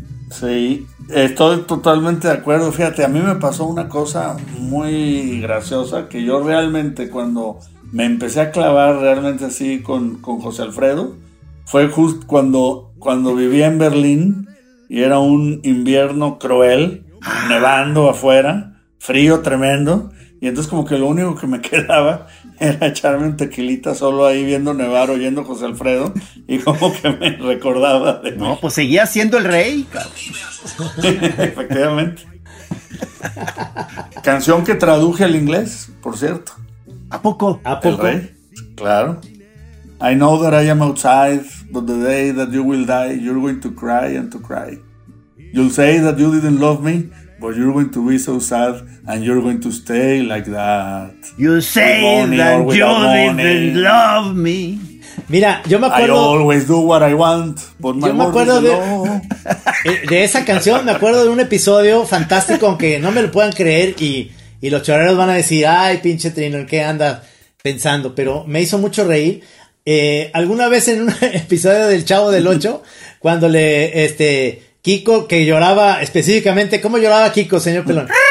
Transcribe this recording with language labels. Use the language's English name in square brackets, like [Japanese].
[Spanish] Sí, estoy totalmente de acuerdo. Fíjate, a mí me pasó una cosa muy graciosa, que yo realmente cuando me empecé a clavar realmente así con José Alfredo, fue justo cuando vivía en Berlín y era un invierno cruel, nevando afuera, frío tremendo, y entonces como que lo único que me quedaba era echarme un tequilita solo ahí viendo nevar, oyendo José Alfredo, y como que me recordaba de mí. No, pues seguía siendo el rey. Efectivamente. Canción que traduje al inglés, por cierto. ¿A poco? El rey, claro. [English] I know that I am outside, but the day that you will die, you're going to cry and to cry. You'll say that you didn't love me, but you're going to be so sad and you're going to stay like that. You'll say that you didn't love me. [Spanish] Mira, yo me acuerdo. [English] I always do what I want, but my mother is alone. [Spanish] De esa canción me acuerdo de un episodio fantástico, aunque no me lo puedan creer, y los choreros van a decir, ay, pinche Trino, ¿qué andas pensando? Pero me hizo mucho reír. Alguna vez en un episodio del Chavo del Ocho, cuando Kiko, que lloraba específicamente, ¿cómo lloraba Kiko, señor Pelón?